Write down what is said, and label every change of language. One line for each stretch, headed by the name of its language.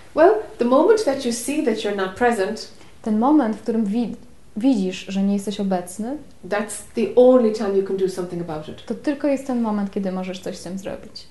English: Well, the moment that you see that you're not present.
Polish: Ten moment, w którym widzisz, że nie jesteś obecny.
English: That's the only time you can do something about it.
Polish: To tylko jest ten moment, kiedy możesz coś z tym zrobić.